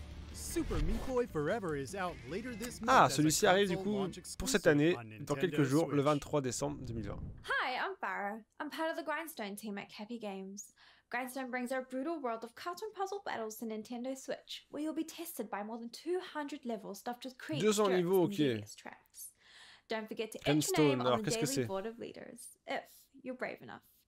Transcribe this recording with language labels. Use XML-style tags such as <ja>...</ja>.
<en>Super Meat Boy Forever is out later this month.</en> <fr>Ah, celui-ci arrive du coup pour cette année dans quelques jours, le 23 décembre 2020.</fr> <en>Hi, I'm Farah. I'm part of the Grindstone team at Happy Games. Grindstone brings our brutal world of cartoon puzzle battles to Nintendo Switch, where you'll be tested by more than 200 levels stuffed with creeps.</en> <fr>200 niveaux, OK.</fr> <en>Don't forget to enter your name on the daily board of leaders if you're brave enough.</en>